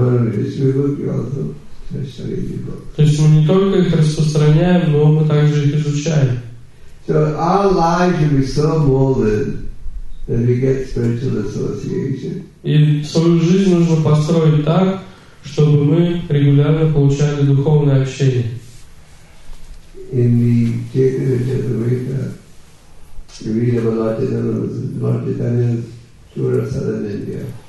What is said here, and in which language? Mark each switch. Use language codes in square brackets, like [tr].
[ru] То есть мы не только их распространяем, но мы также их изучаем. [en] So our lives should be so molded that we get spiritual association. [ru] И свою жизнь нужно построить так, чтобы мы регулярно получали духовное общение. [en] In the Chaitanya Charitamrita, we read about Lord Chaitanya's tour of Southern India.